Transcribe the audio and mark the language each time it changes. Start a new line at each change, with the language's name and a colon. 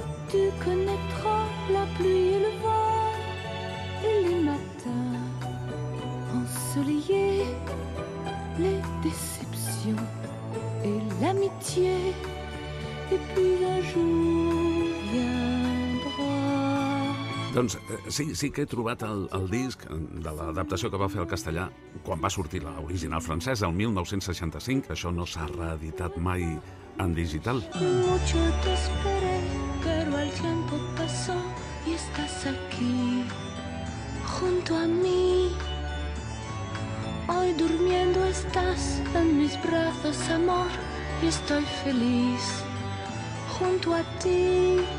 French: Tu connaîtras la pluie et le vent et les matins ensoleillés, les déceptions et l'amitié. Et puis un jour viendra.
Catalan: Doncs sí, sí que he trobat el disc de l'adaptació que va fer al castellà quan va sortir l'original francès, el 1965. Això no s'ha reeditat mai en digital.
Spanish: Mucho te esperé, pero el tiempo pasó y estás aquí, junto a mí. Hoy durmiendo estás en mis brazos, amor, y estoy feliz junto a ti.